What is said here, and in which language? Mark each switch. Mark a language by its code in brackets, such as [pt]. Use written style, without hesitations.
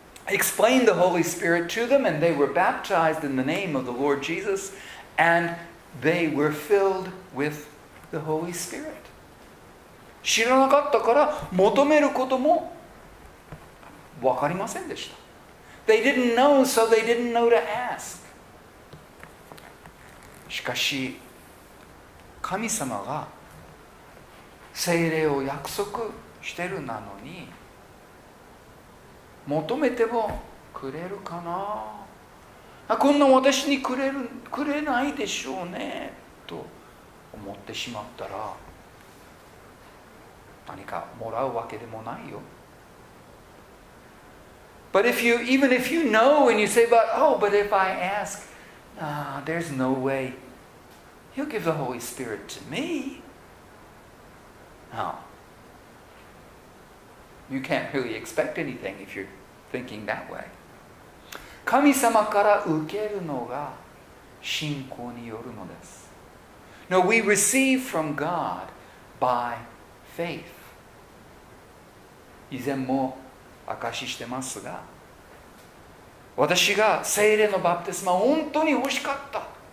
[en] explained the Holy Spirit to them and they were baptized in the name of the Lord Jesus and they were filled with the Holy Spirit. [ja] 知らなかったから求めることも分かりませんでした。 [en] They didn't know, so they didn't know to ask. [ja] しかし、神様が聖霊を約束してるなのに求めてもくれるかな。あ、こんな私にくれないでしょうねと思ってしまったら、何かもらうわけでもないよ。 [en] But if you, even if you know and you say, but oh, but if I ask, there's no way. He'll give the Holy Spirit to me. No. You can't really expect anything if you're thinking that way. [ja] 神様から受けるのが信仰によるのです。 [en] No, we receive from God by faith. [ja] 以前も証ししてますが、私が聖霊のバプテスマ本当に欲しかった。